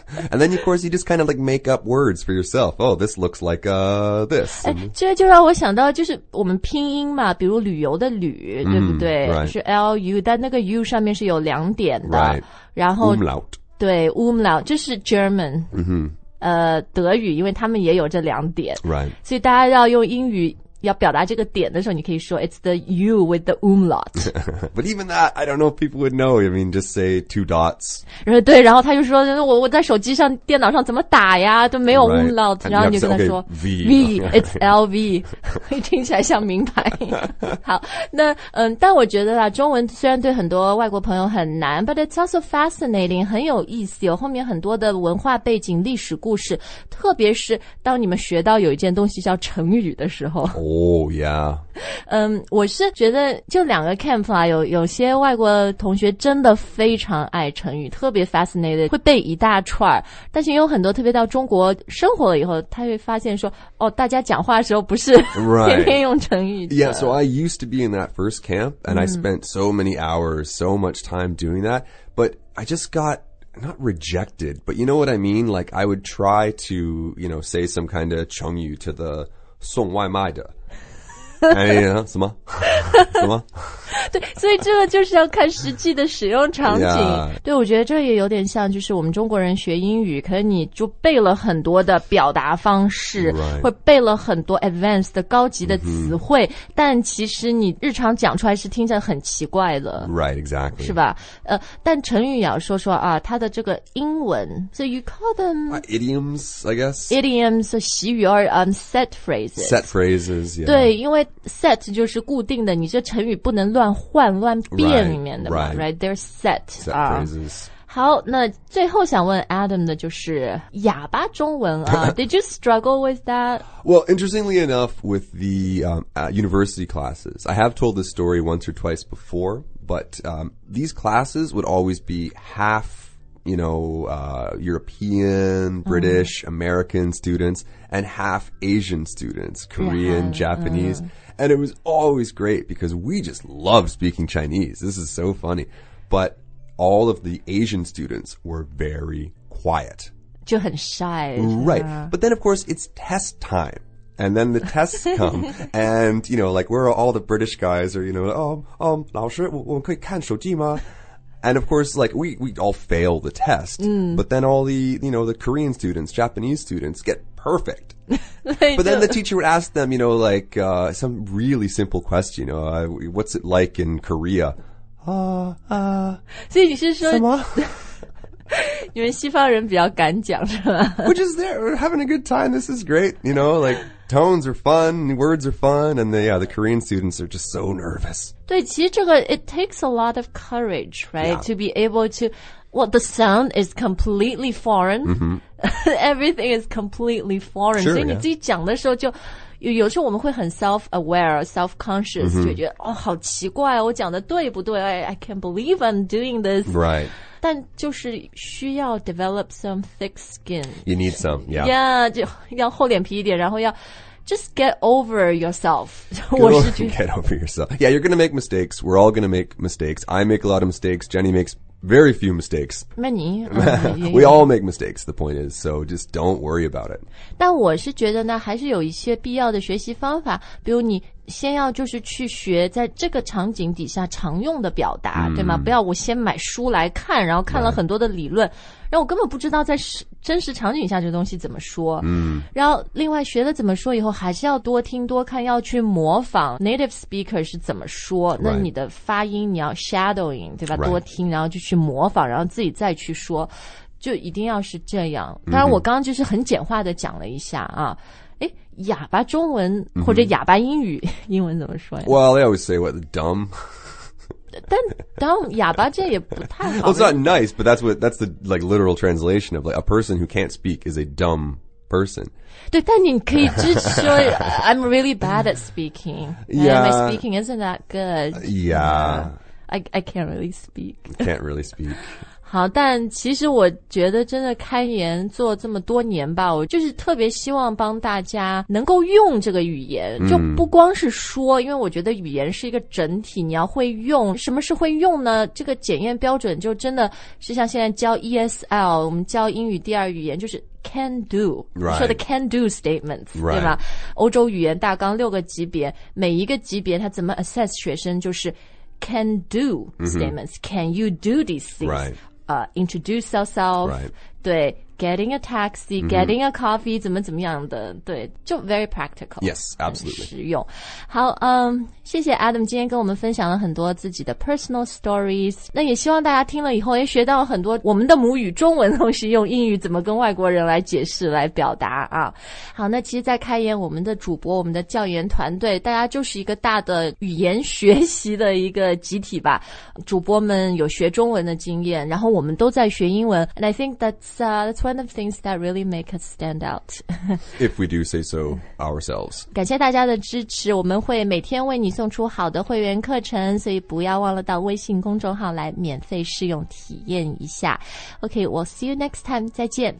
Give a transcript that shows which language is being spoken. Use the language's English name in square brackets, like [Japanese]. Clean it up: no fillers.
[English] and then, of course, you just kind of like make up words for yourself. Oh, this looks like this. [Chinese] 哎，这就让我想到，就是我们拼音嘛，比如旅游的旅，对不对？ [English] Mm, right. [Chinese] 是 LU, 但那个 U 上面是有两点的。 [English] Right. [Chinese] 然后 [English] umlaut. [Chinese] 对 ,umlaut, 这是 German. [English] Mm-hmm. [Chinese] 德语，因为他们也有这两点。 [English] Right. [Chinese] 所以大家要用英语要表达这个点的时候，你可以说 [English] "It's the U with the umlaut." But even that, I don't know if people would know. I mean, just say two dots. [Chinese] 然后对，然后他就说，我在手机上、电脑上怎么打呀？都没有 umlaut、 [English] right.。 [Chinese] 然后你就跟他说 [English] okay, V, V, it's L V. [Chinese] 听起来像名牌。好，那但我觉得啦，中文虽然对很多外国朋友很难 ， [English] but it's also fascinating， [Chinese] 很有意思、哦。有后面很多的文化背景、历史故事，特别是当你们学到有一件东西叫成语的时候。 [English] Oh, yeah. 我是觉得就两个 camp 啊，有些外国同学真的非常爱成语，特别 fascinated， 会背一大串，但是有很多特别到中国生活了以后，他会发现说，哦，大家讲话的时候不是天天用成语的。 Right. Yeah, so I used to be in that first camp, and I spent so many hours, so much time doing that, but I just got... Not rejected, but you know what I mean? Like, I would try to, you know, say some kind of 成语 to the 送外卖的。 [Chinese] 哎呀，什么？什么？对，所以这个就是要看实际的使用场景。 [English] Yeah. [Chinese] 对，我觉得这也有点像，就是我们中国人学英语，可能你就背了很多的表达方式， [English] right. [Chinese] 会背了很多 advanced 的高级的词汇， mm-hmm. 但其实你日常讲出来是听着很奇怪的。 [English] Right, exactly. [Chinese] 是吧？但成语也要说说啊，它的这个英文 ， [English] so you call them idioms, I guess. Idioms, [Chinese] 习语儿 [English] set phrases. Set phrases.、Yeah. [Chinese] 对，因为Set 就是固定的，你这成语不能乱换乱变里面的嘛 [English] right, right. They're set, set phrases. [Chinese] 好，那最后想问 Adam 的就是哑巴中文啊。 [English] Did you struggle with that? Well, interestingly enough, with the university classes, I have told this story once or twice before, but these classes would always be half, you know, European, British, American students, and half Asian students, Korean, yeah, Japanese. And it was always great because we just love speaking Chinese. This is so funny. But all of the Asian students were very quiet. [Chinese] 就很 shy. [English] Right. But then, of course, it's test time. And then the tests come, and, you know, like, where are all the British guys? Are, you know, oh, [Chinese] 老师，我可以看手机吗? [English] And, of course, like, we all fail the test. But then all the, you know, the Korean students, Japanese students get perfect. But then the teacher would ask them, you know, like, some really simple question. What's it like in Korea? [Chinese] 所以你是说什么? 你们西方人比较敢讲是吧 [English] Which is there, we're having a good time, this is great, you know, like, tones are fun, words are fun, and the Korean students are just so nervous. [Chinese] 对，其实这个, [English] it takes a lot of courage, right,、 yeah. to be able to, well, the sound is completely foreign,、 mm-hmm. everything is completely foreign, sure, [Chinese] 所以你自己讲的时候就、 [English] yeah. [Chinese] 有时候我们会很 [English] self-aware, self-conscious,、 [Chinese] mm-hmm. 就觉得、哦、好奇怪、哦、我讲的对不对 [English] I can't believe I'm doing this. Right. [Chinese] 但就是需要 [English] develop some thick skin. You need some, yeah. [Chinese] Yeah, 就要厚脸皮一点，然后要 [English] just get over yourself. Get over yourself. Yeah, you're going to make mistakes. We're all going to make mistakes. I make a lot of mistakes. Jenny makes very few mistakes. Many. We all make mistakes, the point is. So just don't worry about it. [Chinese] 但我是觉得呢，还是有一些必要的学习方法，比如你先要就是去学在这个场景底下常用的表达、mm. 对吗不要我先买书来看然后看了很多的理论、right. 然后我根本不知道在真实场景下这东西怎么说、 [English] mm. [Chinese] 然后另外学了怎么说以后还是要多听多看要去模仿 native speaker 是怎么说、 [English] right. [Chinese] 那你的发音你要 shadowing 对吧、 [English] right. [Chinese] 多听然后就去模仿然后自己再去说就一定要是这样当然我刚刚就是很简化的讲了一下啊、mm-hmm. 哑巴中文或者哑巴英语、mm-hmm. 英文怎么说呀 [English] Well, they always say what, dumb? [Chinese] 但 dumb, 哑巴这也不太好 [English] Well, it's not nice, but that's the like, literal translation of like, a person who can't speak is a dumb person. [Chinese] 对但你可以就说 [English] I'm really bad at speaking. Yeah. My speaking isn't that good. Yeah. I can't really speak. Can't really speak. [Chinese] 好但其实我觉得真的开言做这么多年吧我就是特别希望帮大家能够用这个语言就不光是说因为我觉得语言是一个整体你要会用什么是会用呢这个检验标准就真的是像现在教 ESL 我们教英语第二语言就是Can do、 [English] right. 说的 can do statements、 right. [Chinese] 对吧欧洲语言大纲六个级别每一个级别它怎么 assess 学生就是 [English] can do statements、 mm-hmm. can you do these things、 right. Introduce yourself,、 right. 对 getting a taxi,、mm-hmm. getting a coffee, [Chinese] 怎么怎么样的对就 [English] very practical. Yes, absolutely. [Chinese] 实用。好、谢谢 Adam 今天跟我们分享了很多自己的 [English] personal stories, [Chinese] 那也希望大家听了以后也学到很多我们的母语中文同时用英语怎么跟外国人来解释来表达啊。好那其实在开言我们的主播我们的教研团队大家就是一个大的语言学习的一个集体吧。主播们有学中文的经验然后我们都在学英文 [English] and I think that's one of the things that really make us stand out. If we do say so ourselves. [Chinese] 感谢大家的支持我们会每天为你送出好的会员课程所以不要忘了到微信公众号来免费试用体验一下 [English] OK, we'll see you next time [Chinese] 再见